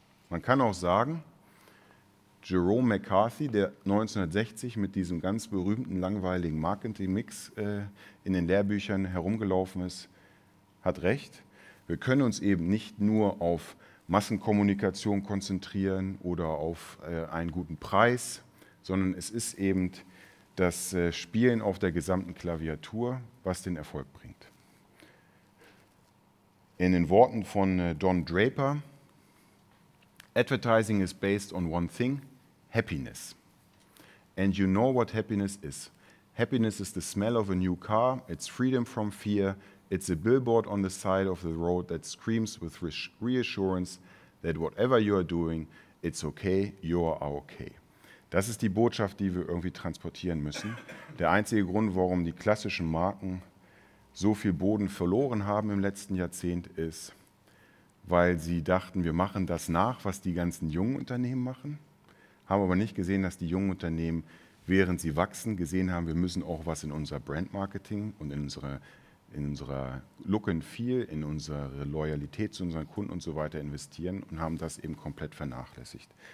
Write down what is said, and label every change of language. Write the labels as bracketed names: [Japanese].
[German] Man kann auch sagen, Jerome McCarthy, der 1960 mit diesem ganz berühmten, langweiligen Marketing-Mix in den Lehrbüchern herumgelaufen ist, hat recht. Wir können uns eben nicht nur auf Massenkommunikation konzentrieren oder auf einen guten Preis, sondern es ist eben das Spielen auf der gesamten Klaviatur, was den Erfolg bringt. In den Worten von [English] Don Draper: Advertising is based on one thing, happiness. And you know what happiness is. Happiness is the smell of a new car, it's freedom from fear, it's a billboard on the side of the road that screams with reassurance that whatever you are doing, it's okay, you are okay. [German] Das ist die Botschaft, die wir irgendwie transportieren müssen. Der einzige Grund, warum die klassischen Marken so viel Boden verloren haben im letzten Jahrzehnt, ist, weil sie dachten, wir machen das nach, was die ganzen jungen Unternehmen machen, haben aber nicht gesehen, dass die jungen Unternehmen, während sie wachsen, gesehen haben, wir müssen auch was in unser Brandmarketing und in unserer Look and Feel, in unsere Loyalität zu unseren Kunden und so weiter investieren und haben das eben komplett vernachlässigt.